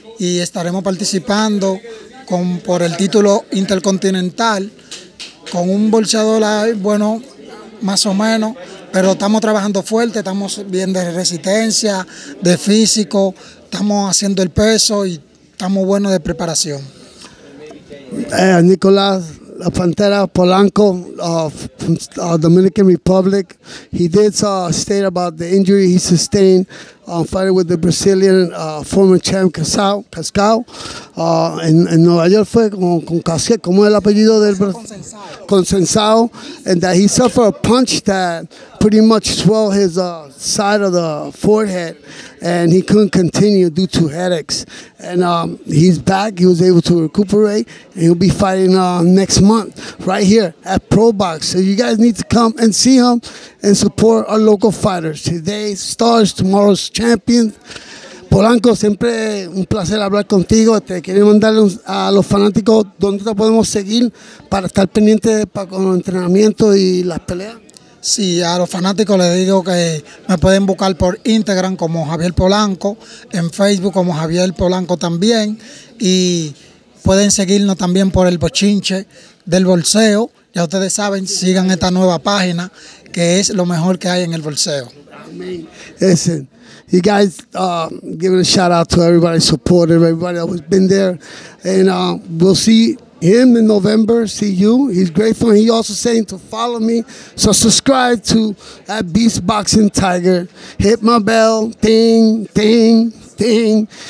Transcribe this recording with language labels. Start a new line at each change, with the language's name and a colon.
Spanish: Y estaremos participando por el título intercontinental, con un bolseador ahí, bueno, más o menos, pero estamos trabajando fuerte, estamos bien de resistencia, de físico, estamos haciendo el peso y estamos buenos de preparación.
English: Nicolás La Pantera Polanco from Dominican Republic, he did state about the injury he sustained fighting with the Brazilian former champ Cascao
Spanish: en Nueva York. Fue con Cascao, ¿cómo es el apellido del Consensado?
English: Consensado, and that he suffered a punch that pretty much swelled his side of the forehead, and he couldn't continue due to headaches. And he's back, he was able to recuperate, and he'll be fighting next month right here at Pro Box. So you guys need to come and see him and support our local fighters. Today's stars, tomorrow's champions.
Spanish: Polanco, siempre un placer hablar contigo. Te quiero mandar a los fanáticos dónde te podemos seguir para estar pendiente con los entrenamientos y las peleas. Sí, a los fanáticos les digo que me pueden buscar por Instagram como Javier Polanco, en Facebook como Javier Polanco también, y pueden seguirnos también por el bochinche del bolseo. Ya ustedes saben, sigan esta nueva página que es lo mejor que hay en el bolseo. Amén.
English: You guys, giving a shout out to everybody, support everybody that's been there. And we'll see him in November, see you. He's grateful. He also saying to follow me. So subscribe to at Beast Boxing Tiger. Hit my bell, ding, ding, ding.